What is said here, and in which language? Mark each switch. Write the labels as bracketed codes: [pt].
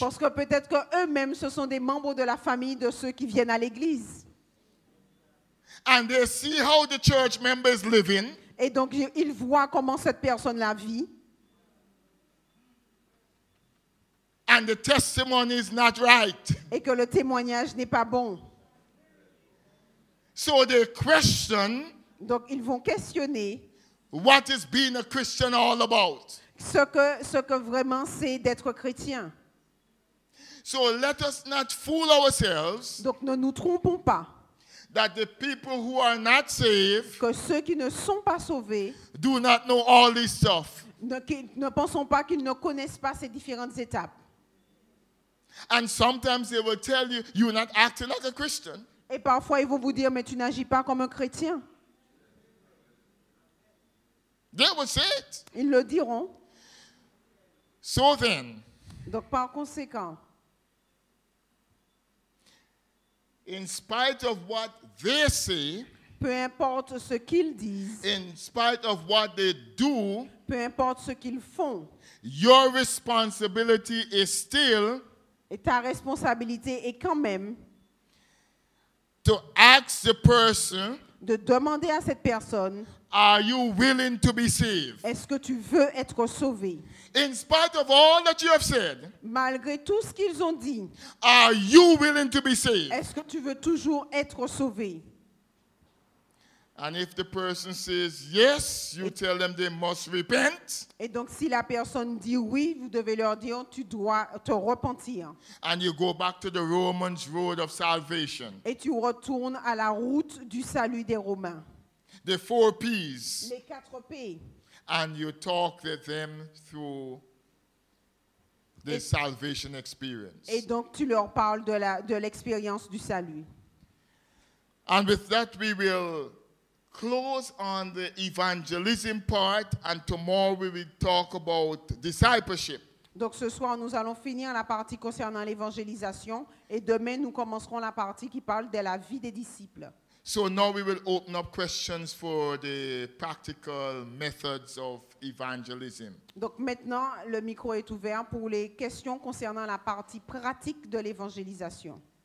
[fr] Parce que peut-être que eux-mêmes ce sont des membres de la famille de ceux qui viennent à l'église. [en] And they see how the church members living. [fr] Et donc ils voient comment cette personne la vit. [en] And the testimony is not right. [fr] Et que le témoignage n'est pas bon. [en] So they question. [fr] Donc ils vont questionner. [en] What is being a Christian all about? [fr] Ce que vraiment c'est d'être chrétien. [en] So let us not fool ourselves. [fr] Donc ne nous trompons pas. [en] That the people who are not saved. [fr] Que ceux qui ne sont pas sauvés. [en] Do not know all this stuff. [fr] Ne pensons pas qu'ils ne connaissent pas ces différentes étapes. [en] And sometimes they will tell you, you're not acting like a Christian. [fr] Et parfois ils vont vous dire, mais tu n'agis pas comme un chrétien. [en] They will say it. [fr] Ils le diront. [en] So then. [fr] Donc par conséquent. [en] In spite of what they say. [fr] Peu importe ce qu'ils disent. [en] In spite of what they do. [fr] Peu importe ce qu'ils font. [en] Your responsibility is still. [fr] Et ta responsabilité est quand même [en] to ask the person, [fr] de demander à cette personne, [en] are you willing to be saved? [fr] Est-ce que tu veux être sauvé? [en] In spite of all that you have said, [fr] malgré tout ce qu'ils ont dit, [en] are you willing to be saved? [fr] Est-ce que tu veux toujours être sauvé? [en] And if the person says yes, you tell them they must repent. [fr] Et donc si la personne dit oui, vous devez leur dire tu dois te repentir. [en] And you go back to the Romans road of salvation. [fr] Et tu retournes à la route du salut des Romains. [en] The four P's. [fr] Les quatre P. [en] And you talk with them through the salvation experience. [fr] Et donc tu leur parles de l'expérience du salut. [en] And with that we will close on the evangelism part, and tomorrow we will talk about discipleship. [fr] Donc ce soir nous allons finir la partie concernant l'évangélisation et demain nous commencerons la partie qui parle de la vie des disciples. [en] So now we will open up questions for the practical methods of evangelism. [fr] Donc maintenant le micro est ouvert pour les questions concernant la partie pratique de l'évangélisation.